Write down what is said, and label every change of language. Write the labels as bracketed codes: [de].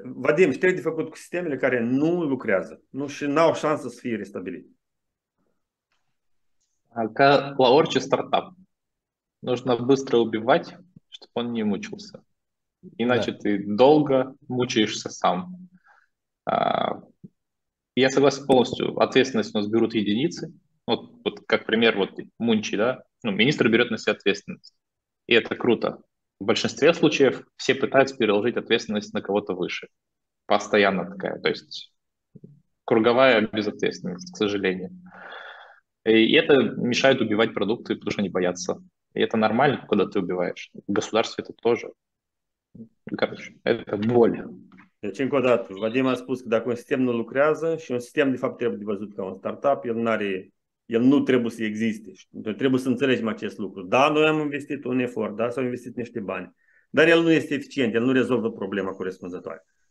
[ro] Vadim, ce trebuie de făcut cu sistemele care nu lucrează, nu, și n-au șansă să fie restabilite? Ca la orice startup, [ru] нужно быстро убивать, чтобы он не мучился. Иначе ты долго мучаешься сам. Я согласен полностью, ответственность у нас берут единицы. Вот как пример, вот Мунчи, да? Ну, министр берет на себя ответственность. И это круто. В большинстве случаев все пытаются переложить ответственность на кого-то выше. Постоянно такая. То есть круговая безответственность, к сожалению. И это мешает убивать продукты, потому что они боятся. И это нормально, когда ты убиваешь. В государстве это тоже. Короче, это боль. [ro] Deci, încă o dată, Vadim a spus că dacă un sistem nu lucrează și un sistem, de fapt, trebuie de văzut ca un startup, el nu trebuie să existe. Noi trebuie să înțelegem acest lucru. Da, noi am investit un efort, da, s-au investit niște bani, dar el nu este eficient, el nu rezolvă problema corespunzătoare.